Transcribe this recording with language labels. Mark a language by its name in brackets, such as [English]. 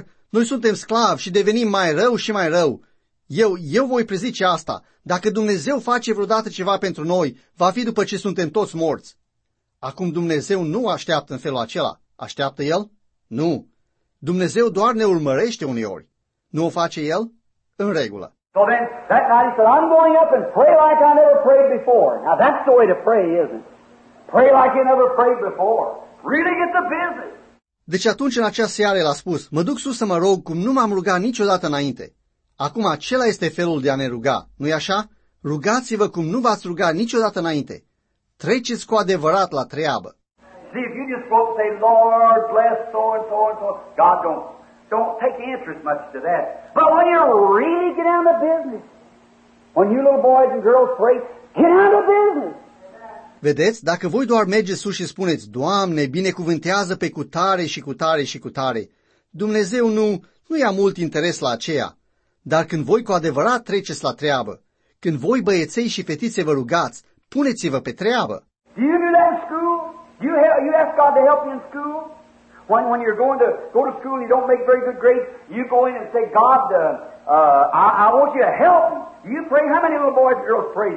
[Romanian] Noi suntem sclavi și devenim mai rău și mai rău. Eu voi prezice asta. Dacă Dumnezeu face vreodată ceva pentru noi, va fi după ce suntem toți morți. Acum Dumnezeu nu așteaptă în felul acela. Așteaptă El? Nu. Dumnezeu doar ne urmărește uneori. Nu o face El? În regulă. [English] So then, that night he said, I'm going up and pray like I never prayed before. Now that's the way to pray, isn't it? Pray like you never prayed before. Really get the business. [Romanian] Deci atunci în acea seară el a spus, mă duc sus să mă rog cum nu m-am rugat niciodată înainte. Acum acela este felul de a ne ruga, nu-i așa? Rugați-vă cum nu v-ați rugat niciodată înainte. Treceți cu adevărat la treabă. [English] See, if you just go and say, Lord, bless so and so and so, God don't take interest much to that. But when you really get down to business, when you little boys and girls pray, get down to business. [Romanian] Vedeți, dacă voi doar mergeți sus și spuneți, Doamne, binecuvântează pe cutare și cutare și cutare, Dumnezeu nu ia mult interes la aceea. Dar când voi cu adevărat treceți la treabă, când voi băieței și fetițe vă rugați, puneți-vă pe treabă. [English] Do you do that in school? You ask God to help you in school? When you're going to go to school and you don't make very good grades, you go in and say, God, I want you to help me. Do you pray? How many little boys and girls pray?